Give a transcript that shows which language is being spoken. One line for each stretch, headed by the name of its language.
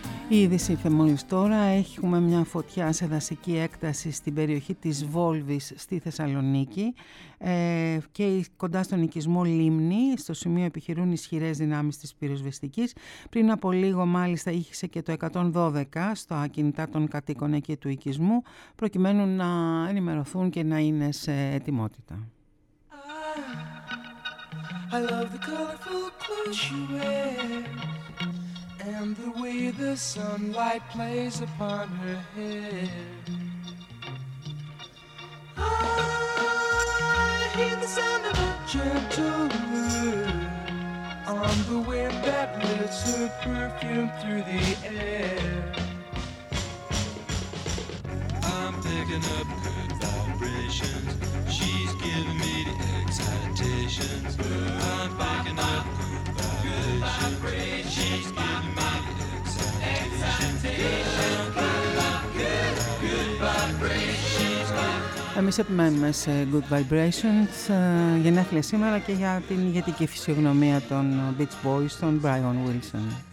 Greek: Η είδηση ήρθε μόλις τώρα. Έχουμε μια φωτιά σε δασική έκταση στην περιοχή της Βόλβης στη Θεσσαλονίκη και κοντά στον οικισμό Λίμνη, στο σημείο επιχειρούν ισχυρές δυνάμεις της πυροσβεστικής. Πριν από λίγο μάλιστα ήχησε και το 112 στο ακινητά των κατοίκων εκεί του οικισμού, προκειμένου να ενημερωθούν και να είναι σε ετοιμότητα.
English: I love the colorful clothes you wear. And the way the sunlight plays upon her hair. I hear the sound of a gentle wind on the wind that lifts her perfume through the air. I'm picking up good vibrations. She's giving me the excitations. I'm picking up good vibrations. She's giving me
Greek: Εμείς επιμένουμε σε Good Vibrations, γενέθλια σήμερα και για την ηγετική φυσιογνωμία των Beach Boys, των Brian Wilson.